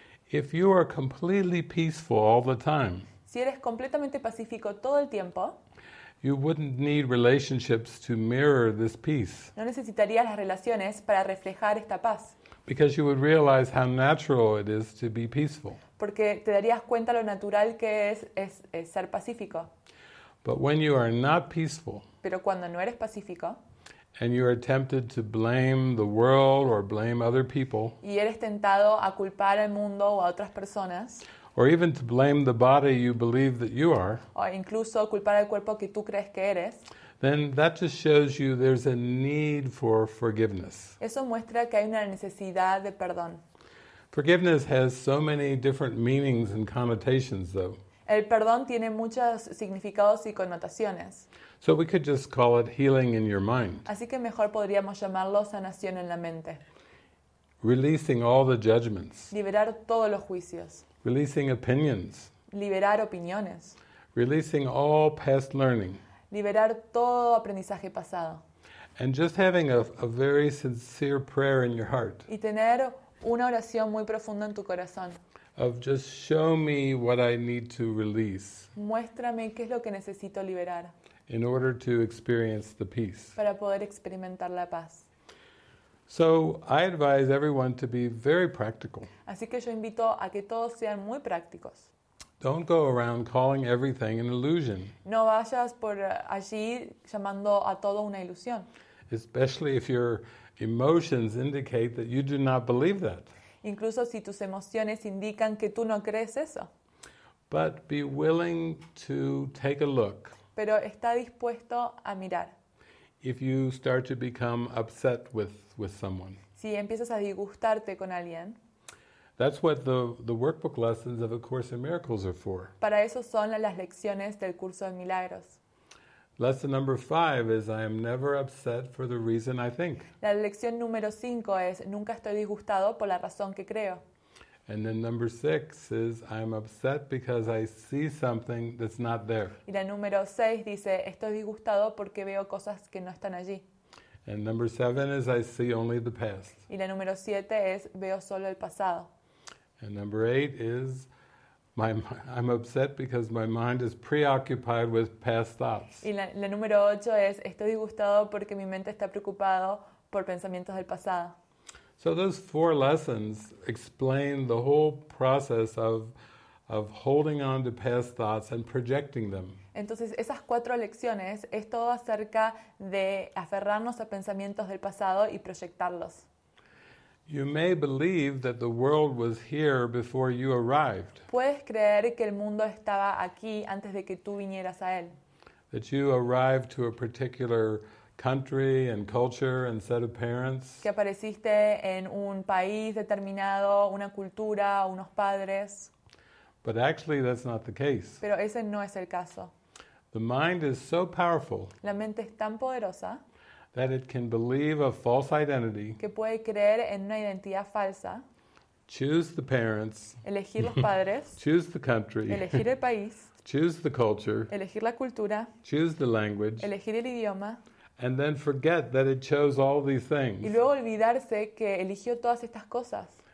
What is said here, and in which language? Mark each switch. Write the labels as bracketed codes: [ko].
[en] If you are completely peaceful all the time, [es] si eres completamente pacífico todo el tiempo, [en] you wouldn't need relationships to mirror this peace. [es] No necesitarías las relaciones para reflejar esta paz. [en] Because you would realize how natural it is to be peaceful. [es] Porque te darías cuenta lo natural que es ser pacífico. [en] But when you are not peaceful, [es] pero cuando no eres pacífico, [en] and you are tempted to blame the world or blame other people, [es] y eres tentado a culpar al mundo o a otras personas, [en] or even to blame the body you believe that you are, [es] o incluso culpar al cuerpo que tú crees que eres, [en] then that just shows you there's a need for forgiveness. [es] Eso muestra que hay una necesidad de perdón. [en] Forgiveness has so many different meanings and connotations, though. [es] El perdón tiene muchos significados y connotaciones. [en] So we could just call it healing in your mind. [es] Así que mejor podríamos llamarlo sanación en la mente. [en] Releasing all the judgments. [es] Liberar todos los juicios. [en] Releasing opinions. [es] Liberar opiniones. [en] Releasing all past learning. [es] Liberar todo aprendizaje pasado. [en] And just having a very sincere prayer in your heart. [es] Y tener una oración muy profunda en tu corazón. [en] Of just show me what I need to release. [es] Muéstrame qué es lo que necesito liberar. [en] In order to experience the peace. [es] Para poder experimentar la paz. [en] So I advise everyone to be very practical. [es] Así que yo invito a que todos sean muy prácticos. [en] Don't go around calling everything an illusion. [es] No vayas por allí llamando a todo una ilusión. [en] Especially if you're emotions indicate that you do not believe that. [es] Incluso si tus emociones indican que tú no crees eso. [en] But be willing to take a look. [es] Pero está dispuesto a mirar. [en] If you start to become upset with someone. [es] si empiezas a disgustarte con alguien. [en] That's what the workbook lessons of A Course in Miracles are for. [es] Para eso son las lecciones del curso de milagros. [en] Lesson number 5 is I am never upset for the reason I think. [es] La lección número 5 es nunca estoy disgustado por la razón que creo. [en] And then number 6 is I'm upset because I see something that's not there. [es] Y la número 6 dice estoy disgustado porque veo cosas que no están allí. [en] And number 7 is I see only the past. [es] Y la número 7 es veo solo el pasado. [en] And number 8 is I'm upset because my mind is preoccupied with past thoughts. [es] Y la número 8 es estoy disgustado porque mi mente está preocupado por pensamientos del pasado. [en] So those 4 lessons explain the whole process of holding on to past thoughts and projecting them. [es] Entonces, esas 4 lecciones es todo acerca de aferrarnos a pensamientos del pasado y proyectarlos. [en] You may believe that the world was here before you arrived. [es] Puedes creer que el mundo estaba aquí antes de que tú vinieras a él. [en] That you arrived to a particular country and culture and set of parents. [es] Que apareciste en un país determinado, una cultura, unos padres. [en] But actually that's not the case. [es] Pero ese no es el caso. [en] The mind is so powerful. [es] La mente es tan poderosa. [en] That it can believe a false identity. [es] Que puede creer en una identidad falsa. [en] Choose the parents. [es] Elegir los padres. [en] Choose the country. [es] Elegir el país. [en] Choose the culture. [es] Elegir la cultura. [en] Choose the language. [es] Elegir el idioma. [en] And then forget that it chose all these things. [es] Y luego olvidarse que eligió todas estas cosas.